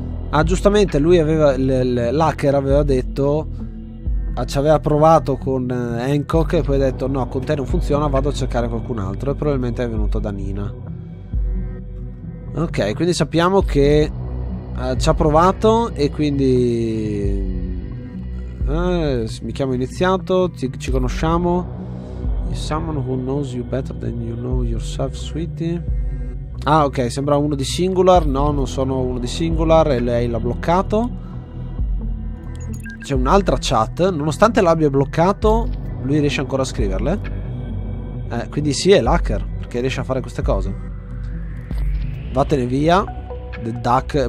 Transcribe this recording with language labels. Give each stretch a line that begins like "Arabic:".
Italian: Ah, giustamente, lui aveva, l'hacker aveva detto, ci aveva provato con Hancock e poi ha detto no, con te non funziona, vado a cercare qualcun altro, e probabilmente è venuto da Nina. Ok, quindi sappiamo che ci ha provato, e quindi mi chiamo Iniziato, ci conosciamo.
English: Is someone who knows you better than you know yourself, sweetie.
Italian: Ah, ok, sembra uno di Singular. No, non sono uno di Singular, e lei l'ha bloccato. C'è un'altra chat, nonostante l'abbia bloccato lui riesce ancora a scriverle. Quindi sì, è l'hacker, perché riesce a fare queste cose. Vattene via, the duck.